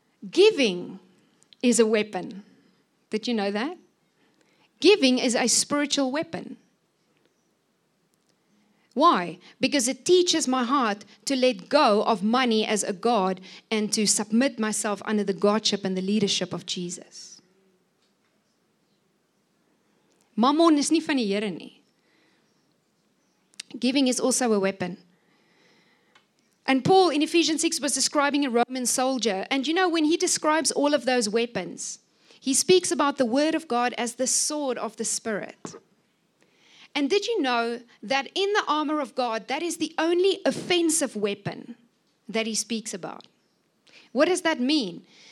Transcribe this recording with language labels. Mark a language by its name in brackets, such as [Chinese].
[English] Giving is a weapon. Did you know that? Giving is a spiritual weapon. Why? Because it teaches my heart to let go of money as a god and to submit myself under the godship and the leadership of Jesus. [Afrikaans] Mammon is nie van die Here nie. [English] Giving is also a weapon. And Paul in Ephesians 6 was describing a Roman soldier. And you know, when he describes all of those weapons, he speaks about the Word of God as the sword of the Spirit. And did you know that in the armor of God, that is the only offensive weapon that he speaks about? What does that mean?